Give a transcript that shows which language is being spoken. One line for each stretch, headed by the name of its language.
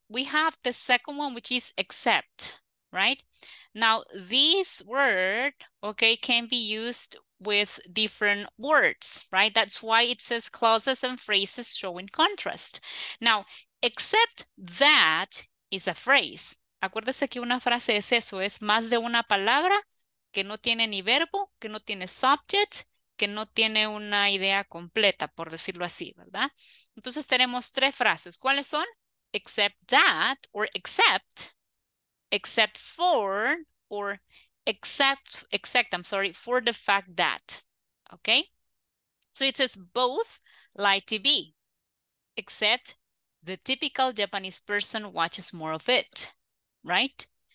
English: We have the second one, which is except, right? Now, this word, okay, can be used with different words, right? That's why it says clauses and phrases showing contrast. Now, except that is a phrase.
Spanish: Acuérdese que una frase es eso, es más de una palabra que no tiene ni verbo, que no tiene subject, que no tiene una idea completa, por decirlo así, ¿verdad? Entonces tenemos tres frases. ¿Cuáles son?
English: Except that, or except, except for, or except for the fact that. Okay? So it says both like TV, except the typical Japanese person watches more of it, right?